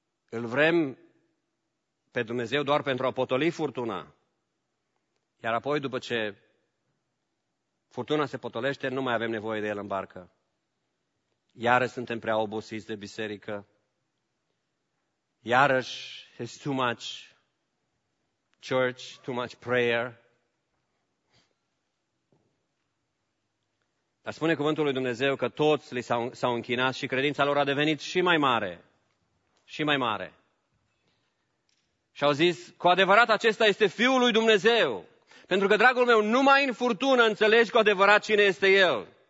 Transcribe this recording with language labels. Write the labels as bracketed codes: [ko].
[ro] Îl vrem pe Dumnezeu doar pentru a potoli furtuna. Iar apoi, după ce furtuna se potolește, nu mai avem nevoie de El în barcă. Iarăși suntem prea obosiți de biserică. [en] Iarăși, it's too much church, too much prayer. [ro] Dar spune cuvântul lui Dumnezeu că toți li s-au închinat și credința lor a devenit și mai mare. Și mai mare. Și au zis, cu adevărat acesta este Fiul lui Dumnezeu. Pentru că, dragul meu, numai în furtună înțelegi cu adevărat cine este El.